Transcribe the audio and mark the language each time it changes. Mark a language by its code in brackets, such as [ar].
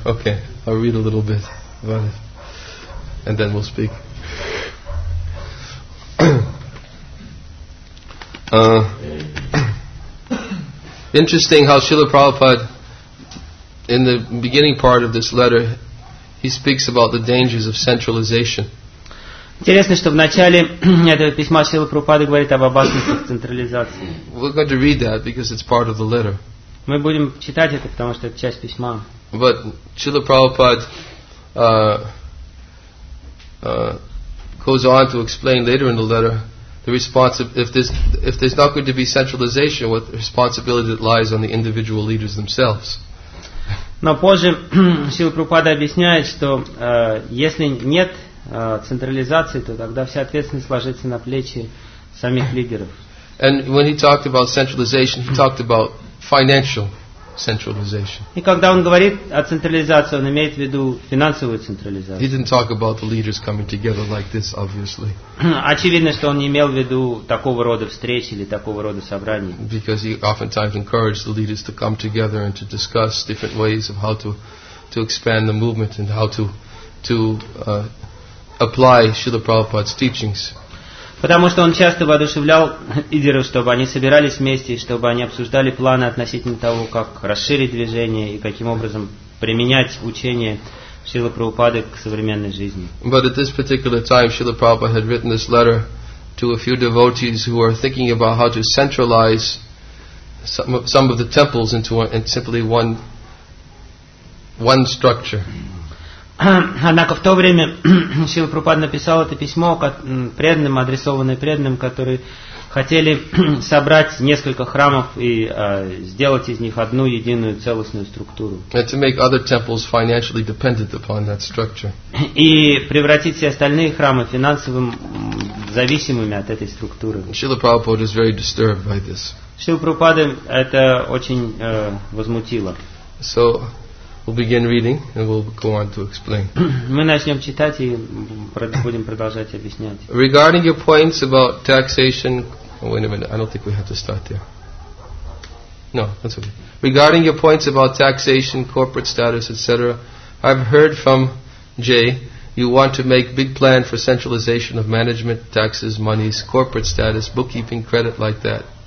[en] Okay, I'll read a little bit about it. And then we'll speak. Interesting how Srila Prabhupada, in the beginning part of this letter, he speaks about the dangers of centralization. [ru] Интересно, что в начале этого письма Шрила Прабхупада говорит об опасности централизации. [en] We're going to read that because it's part of the letter. [ru] Мы будем читать это, потому что это часть письма. [en] But Srila Prabhupada goes on to explain later in the letter the if there's not going to be centralization, what the responsibility that lies on the individual leaders themselves. [ru] Но позже Шрила Прабхупада объясняет, что если нет централизации, то тогда вся ответственность ложится на плечи самих лидеров. [en] And when he talked about centralization, he talked about financial centralization. [ru] И когда он говорит о централизации, он имеет в виду финансовую централизацию. [en] He didn't talk about the leaders coming together like this, obviously. [ru] Очевидно, что он не имел в виду такого рода встречи или такого рода собраний. [en] Because he oftentimes encouraged the leaders to come together and to discuss different ways of how to to expand the movement and how to apply Srila Prabhupada's teachings. [ru] Потому что он часто воодушевлял лидеров, чтобы они собирались вместе, чтобы они обсуждали планы относительно того, как расширить движение и каким образом применять учение Шрилы Прабхупады к современной жизни. [en] But at this particular time, Srila Prabhupada had written this letter to a few devotees who are thinking about how to centralize some of the temples into simply one structure. [ru] Однако в то время Шрила Прабхупада написал это письмо преданным, адресованное преданным, которые хотели собрать несколько храмов и сделать из них одну единую целостную структуру. [en] And to make other temples financially dependent upon that structure. [ru] И превратить все остальные храмы финансовым зависимыми от этой структуры. [en] Шрила Прабхупада was very disturbed by this. [ru] Шрила Прабхупада это очень возмутило. [en] So we'll begin reading and we'll go on to explain. [ru] Мы начнем читать и будем продолжать объяснять. [en] Regarding your points about taxation, wait a minute, I don't think we have to start there. No, that's okay. Regarding your points about taxation, corporate status, etc., I've heard from Jay you want to make big plan for centralization of management, taxes, monies, corporate status, bookkeeping, credit like that.